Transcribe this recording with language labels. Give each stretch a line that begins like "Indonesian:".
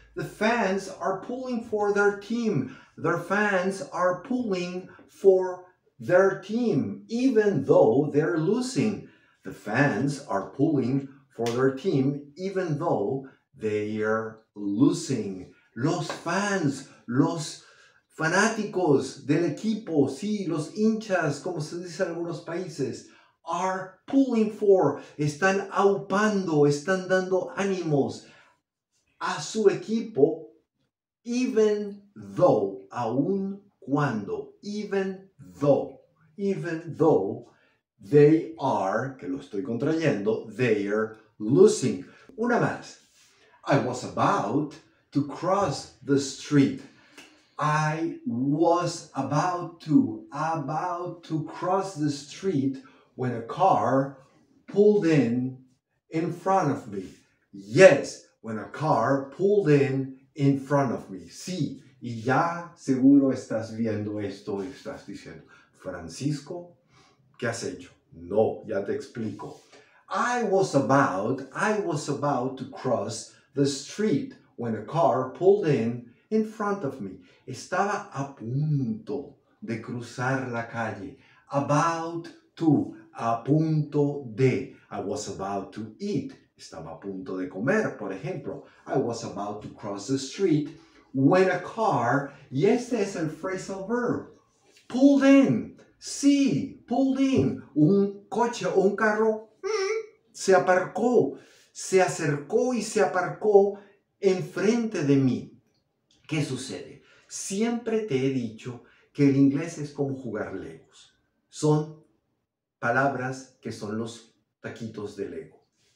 English: The fans are pulling for their team. Their fans are pulling for their team, even though they're losing. The fans are pulling for their team, even though they're losing.
Spanish: Los fans, los fanáticos del equipo, sí, los hinchas, como se dice en algunos países,
English: are pulling for,
Spanish: están aupando, están dando ánimos a su equipo, even though, aun cuando,
English: even though they are,
Spanish: que lo estoy contrayendo,
English: they are losing.
Spanish: Una más.
English: I was about to cross the street. I was about to cross the street when a car pulled in front of me. Yes, when a car pulled in front of me.
Spanish: Sí, y ya seguro estás viendo esto y estás diciendo, Francisco, ¿qué has hecho? No, ya te explico.
English: I was about to cross the street when a car pulled in front of me.
Spanish: Estaba a punto de cruzar la calle.
English: About to,
Spanish: a punto de.
English: I was about to eat.
Spanish: Estaba a punto de comer, por ejemplo.
English: I was about to cross the street when a car,
Spanish: y este es el phrasal verb,
English: pulled in. Sí, pulled in.
Spanish: Un coche o un carro se aparcó, se acercó y se aparcó enfrente de mí. ¿Qué sucede? Siempre te he dicho que el inglés es como jugar Legos. Son palabras que son los taquitos de Lego.